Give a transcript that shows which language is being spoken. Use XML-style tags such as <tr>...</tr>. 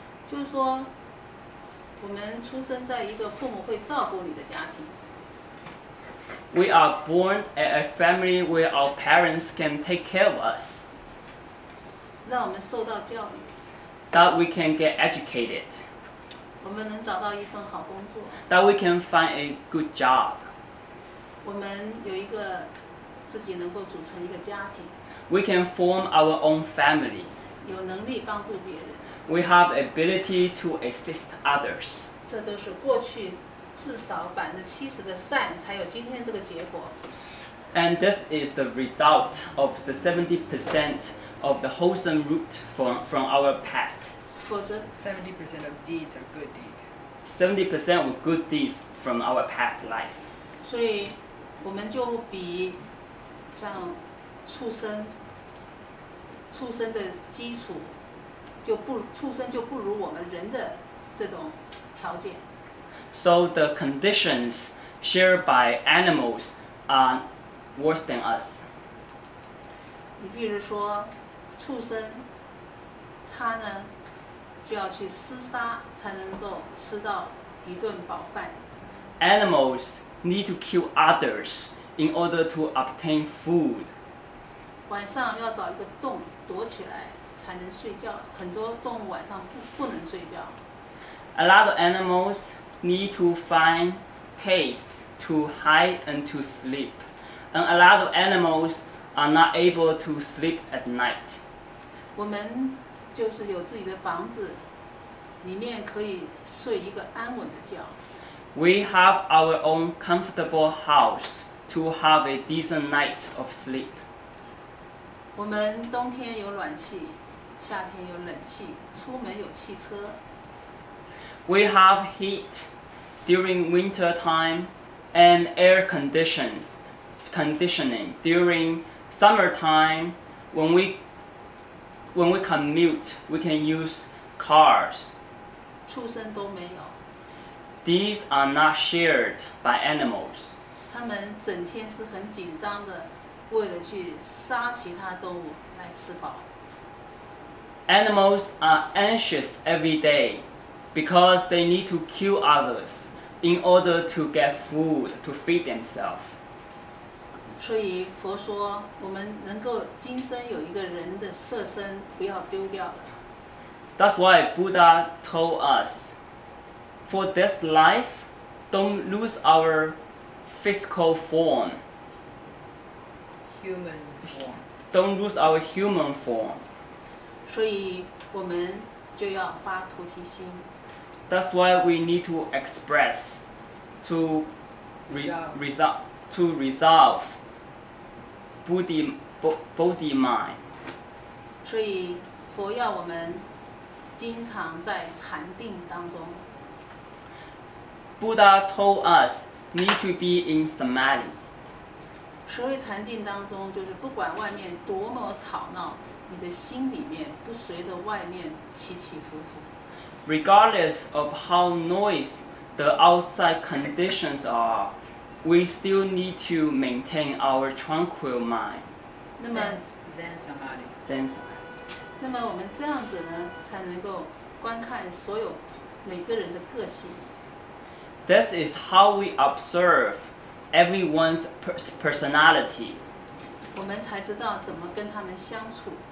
<zh>就是说，我们出生在一个父母会照顾你的家庭。</zh> <en>We are born at a family where our parents can take care of us.</en> <zh>让我们受到教育。</zh> <en>That we can get educated.</en> <zh>我们能找到一份好工作。</zh> <en>That we can find a good job.</en> <zh>我们有一个自己能够组成一个家庭。</zh> <en>We can form our own family.</en> <zh>有能力帮助别人。</zh> <en>We have ability to assist others.</en> <zh>这都是过去至少70%的善才有今天这个结果。</zh> <en>And this is the result of the 70% of the wholesome root from our past.</en> <zh>否则</zh> <en>70% of deeds are good deeds. 70% of good deeds from our past life.</en> <zh>所以我们就比这样畜生的基础就不畜生就不如我们人的这种条件。</zh> <en>So the conditions shared by animals are worse than us.</en> <zh>你比如说畜生他呢就要去厮杀才能够吃到一顿饱饭。</zh> <en>Animals need to kill others in order to obtain food.</en> <zh>晚上要找一个洞躲起来才能睡觉，很多动物晚上 不能睡觉。</zh> <en>A lot of animals need to find caves to hide and to sleep. And a lot of animals are not able to sleep at night.</en> <zh>我们就是有自己的房子，里面可以睡一个安稳的觉。</zh> <en>We have our own comfortable house to have a decent night of sleep.</en> <zh>我们冬天有暖气，夏天有冷气，出门有汽车。</zh> <en>We have heat during winter time and air conditioning during summer time. When we commute, we can use cars.</en> <zh>畜生都没有。</zh> <en>These are not shared by animals.</en> <zh>他们整天是很紧张的，为了去杀其他动物来吃饱。</zh> <en>Animals are anxious every day. Because they need to kill others in order to get food to feed themselves.</en> <zh>所以佛说，我们能够今生有一个人的色身，不要丢掉了。</zh> <en>That's why Buddha told us, for this life, don't lose our physical form. Human form. Don't lose our human form.</en> <zh>所以我们就要发菩提心。</zh> <en>That's why we need to express, to resolve body mind.</en> <zh>所以佛要我们经常在禅定当中。</zh> <en>Buddha told us need to be in samadhi.</en> <zh>所谓禅定当中，就是不管外面多么吵闹，你的心里面不随着外面起起伏伏。</zh> <en>Regardless of how noisy the outside conditions are, we still need to maintain our tranquil mind. Zen samadhi.</en> <zh>那么我们这样子呢，才能够观看所有每个人的个性。</zh> <en>This is how we observe everyone's personality.</en> <zh>我们才知道怎么跟他们相处。</zh>